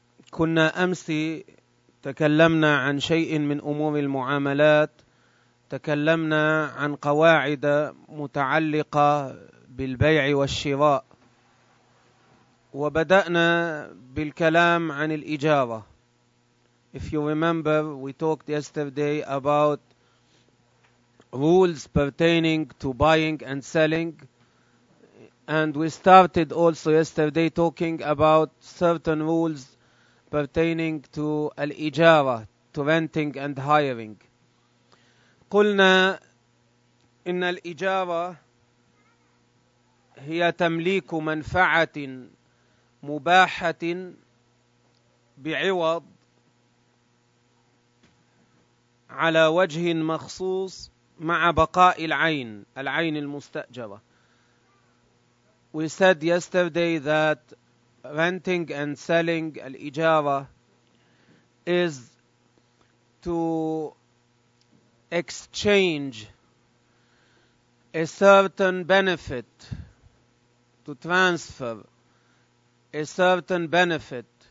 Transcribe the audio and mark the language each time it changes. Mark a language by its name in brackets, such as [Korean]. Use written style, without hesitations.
[Arabic] كنا أمس تكلمنا عن شيء من أمور المعاملات، تكلمنا عن قواعد متعلقة بالبيع والشراء، وبدأنا بالكلام عن الإجارة. [English] If you remember, we talked yesterday about rules pertaining to buying and selling. And we started also yesterday talking about certain rules pertaining to الإجارة, to renting and hiring. [Arabic] قلنا إن الإجارة هي تمليك منفعة مباحة بعوض على وجه مخصوص مع بقاء العين، العين المستأجرة. [English] We said yesterday that renting and selling الإجارة is to exchange a certain benefit, to transfer a certain benefit